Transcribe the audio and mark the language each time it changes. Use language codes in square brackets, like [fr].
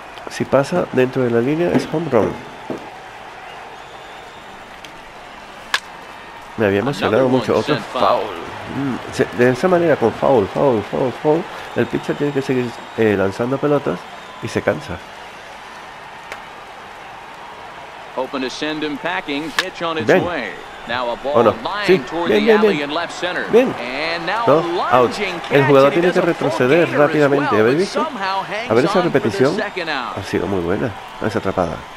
[es] Si pasa dentro de la línea, es home run. Me había emocionado mucho. Otro foul. De esa manera, con foul, el pitcher tiene que seguir lanzando pelotas. Y se cansa. [en] Open to send him packing, pitch on its way. Now a ball flying toward the alley in left center. [es] Bien. [en] And now out. [es] El jugador tiene que retroceder rápidamente, ¿habéis visto? A ver esa repetición. Ha sido muy buena esa atrapada.